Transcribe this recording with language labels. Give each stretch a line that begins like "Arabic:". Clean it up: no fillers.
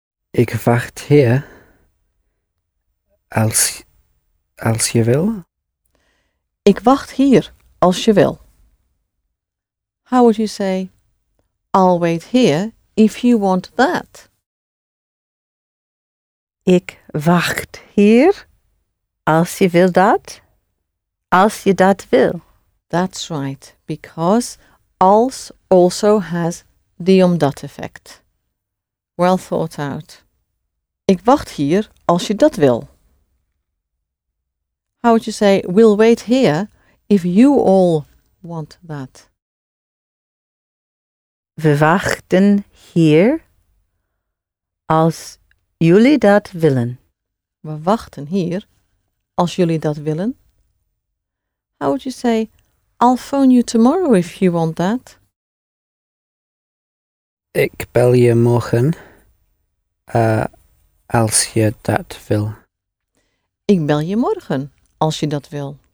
Dutch: Ik wacht hier als je wil. Ik wacht hier als je wil.
English: How would you say, I'll wait here if you want that?
Dutch: Ik wacht hier als je wil dat. Als je dat wil.
English: That's right, because als also has the omdat effect. Well thought out.
Dutch: Ik wacht hier als je dat wil.
English: How would you say, we'll wait here if you all want that?
Dutch: We wachten hier als jullie dat willen. We wachten hier als jullie dat willen.
English: How would you say, I'll phone you tomorrow if you want that?
Dutch: Ik bel je morgen, als je dat wil. Ik bel je morgen als je dat wil.